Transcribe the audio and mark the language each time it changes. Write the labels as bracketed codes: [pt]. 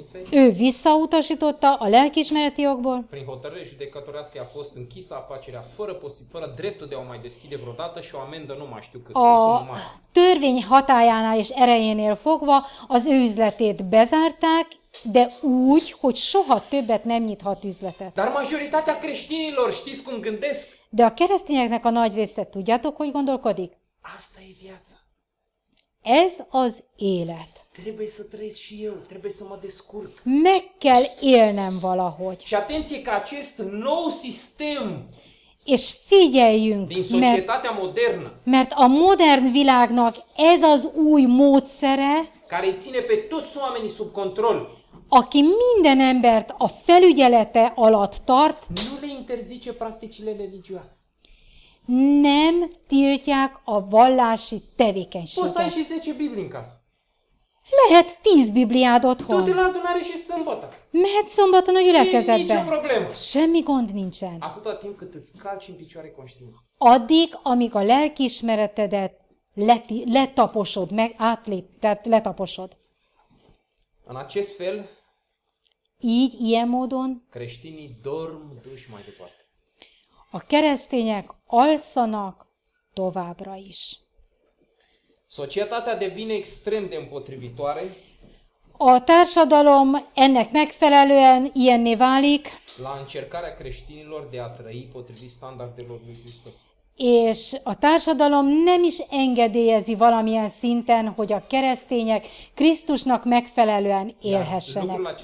[hu] Ő visszautasította a lelkiismereti jogból. [ro] Prin hotărâre judecătorească a fost închisă afacerea fără dreptul de a o mai deschide vreodată și o amendă nu mai știu cât. [hu] A törvény hatájánál és erejénél fogva az ő üzletét bezárták, de úgy, hogy soha többet nem nyithat üzletet. [ro] Dar majoritatea creștinilor, știți cum gândesc? [hu] De a keresztényeknek a nagy része, tudjátok, hogy gondolkodik? [ro] Asta e viața. [hu] Ez az élet. [ro] Trebuie să trăiesc și eu, trebuie să mă descurc. [hu] Meg kell élnem valahogy. [ro] Și atenție că acest nou sistem. [hu] És figyeljünk, [ro] din societatea modernă. [hu] Mert a modern világnak ez az új módszere, [ro] care ține pe toți oamenii sub control. [hu] Aki minden embert a felügyelete alatt tart. [ro] Nu le interzice practicile religioase. [hu] Nem tiltják a vallási tevékenységet. [ro] Poți să ai și 10 Biblii în casă. [hu] Lehet 10 Bibliád otthon. [ro] Du-te la adunare și sâmbătă. [hu] Mehet [ro] sâmbătă în [hu] gyülekezetbe. [ro] Nici o problemă. [hu] Semmi gond nincsen. [ro] Atâta timp cât îți calci în picioare conștiința. [hu] Addig, amíg a lelkiismeretedet letaposod, meg átlép, tehát letaposod. [ro] În acest fel, [hu] így, ilyen módon, [ro] creștinii dorm duși mai departe. [hu] A keresztények alszanak továbbra is. [ro] Societatea devine extrem de împotrivitoare. [hu] A társadalom ennek megfelelően ilyenné válik. [ro] La încercarea creștinilor de a trăi potrivit standardelor lui Hristos. [hu] És a társadalom nem is engedélyezi valamilyen szinten, hogy a keresztények Krisztusnak megfelelően élhessenek.